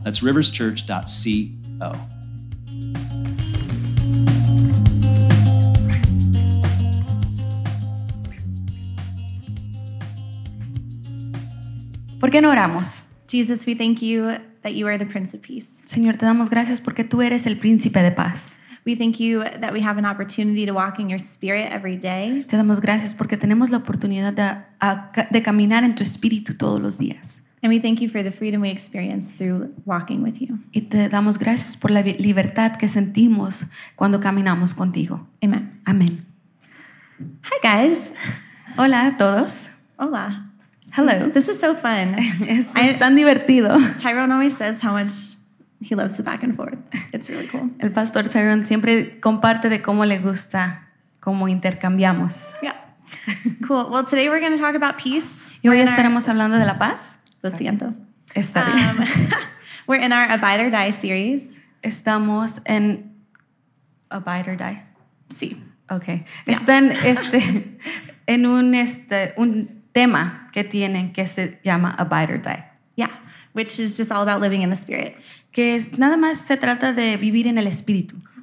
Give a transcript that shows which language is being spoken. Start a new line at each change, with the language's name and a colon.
English: That's riverschurch.co.
Spanish: ¿Por qué no oramos?
English: Jesus, we thank you that you are the Prince of Peace.
Spanish: Señor, te damos gracias porque tú eres el Príncipe de Paz.
English: We thank you that we have an opportunity to walk in your Spirit every day.
Spanish: Te damos gracias porque tenemos la oportunidad de caminar en tu Espíritu todos los días.
English: And we thank you for the freedom we experience through walking with you.
Spanish: Y te damos gracias por la libertad que sentimos cuando caminamos contigo.
English: Amen. Amen. Hi, guys.
Spanish: Hola a todos. Hola.
English: Hello. This is so fun.
Spanish: Esto es tan divertido.
English: Tyrone always says how much he loves the back and forth. It's really cool.
Spanish: El pastor Tyrone siempre comparte de cómo le gusta, cómo intercambiamos.
English: Yeah. Cool. Well, today we're going to talk about peace.
Spanish: Y hoy estaremos hablando de la paz. Lo siento. Está bien.
English: We're in our Abide or Die series.
Spanish: Estamos en Abide or Die. Sí.
English: Okay. Yeah.
Spanish: Están en un tema que tienen que se llama Abide or Die.
English: Yeah, which is just all about living in the Spirit.
Spanish: Que nada más se trata de vivir en el Espíritu.